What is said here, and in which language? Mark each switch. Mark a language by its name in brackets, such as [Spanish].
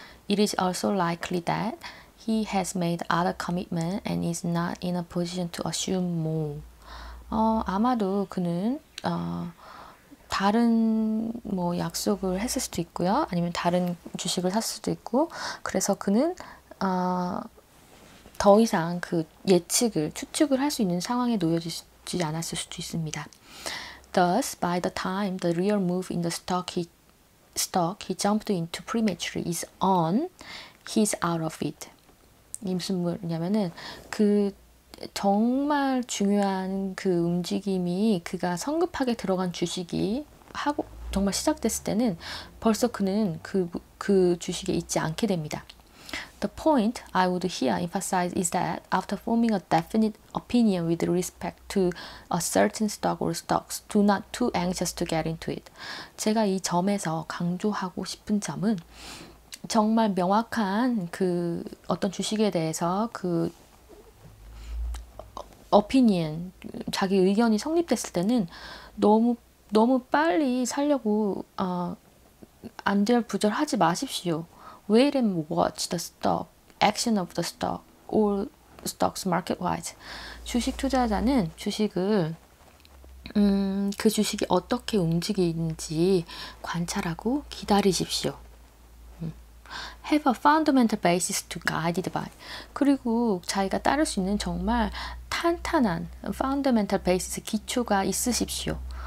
[English] It is also likely that he has made other commitment and is not in a position to assume more. [Korean] 아마도 그는 다른 뭐 약속을 했을 수도 있고요. 아니면 다른 주식을 샀을 수도 있고. 그래서 그는 더 이상 그 추측을 할수 있는 상황에 놓여지지 않았을 수도 있습니다. [English] Thus, by the time the real move in the stock he jumped into prematurely is on, he's out of it. [Korean] 이게 무슨 말이냐면은 그 정말 중요한 그 움직임이 그가 성급하게 들어간 주식이 하고 정말 시작됐을 때는 벌써 그는 그 주식에 있지 않게 됩니다. [English] The point I would here emphasize is that after forming a definite opinion with respect to a certain stock or stocks, do not too anxious to get into it. [Korean] 제가 이 점에서 강조하고 싶은 점은 정말 명확한 그 어떤 주식에 대해서 그 opinion, 자기 의견이 성립됐을 때는 너무 너무 빨리 살려고 안절부절하지 마십시오. [English] Wait and watch the stock action of the stock or stocks market wise. [Korean] 주식 투자자는 주식을 그 주식이 어떻게 움직이는지 관찰하고 기다리십시오. [English] Have a fundamental basis to guide it by. [Korean] 그리고 자기가 따를 수 있는 정말 탄탄한 [English] fundamental basis [Korean] 기초가 있으십시오.